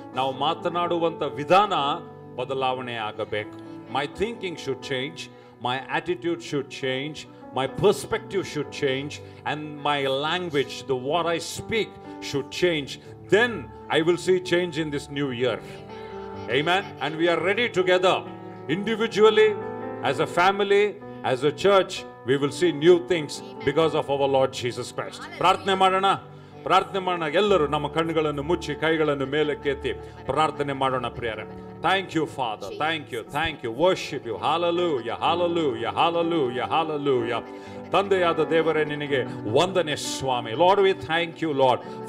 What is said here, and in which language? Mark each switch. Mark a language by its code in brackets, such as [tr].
[kn] ನಾವು ಮಾತನಾಡುವಂಥ ವಿಧಾನ ಬದಲಾವಣೆ ಆಗಬೇಕು. [en] My thinking should change, my attitude should change, my perspective should change, and my language, the way I speak should change. Then I will see change in this new year. Amen. And we are ready together, individually, as a family, as a church, we will see new things because of our Lord Jesus Christ. [kn] Prarthne madana. ಪ್ರಾರ್ಥನೆ ಮಾಡೋಣ. ಎಲ್ಲರೂ ನಮ್ಮ ಕಣ್ಣುಗಳನ್ನು ಮುಚ್ಚಿ ಕೈಗಳನ್ನು ಮೇಲಕ್ಕೆತ್ತಿ ಪ್ರಾರ್ಥನೆ ಮಾಡೋಣ. [en] ಪ್ರಿಯರ, thank you father, thank you, thank you, worship you, hallelujah, hallelujah, hallelujah, hallelujah. [kn] ತಂದೆಯಾದ ದೇವರೇ, ನಿನಗೆ ವಂದನೆ ಸ್ವಾಮಿ. [en] Lord, we thank you Lord.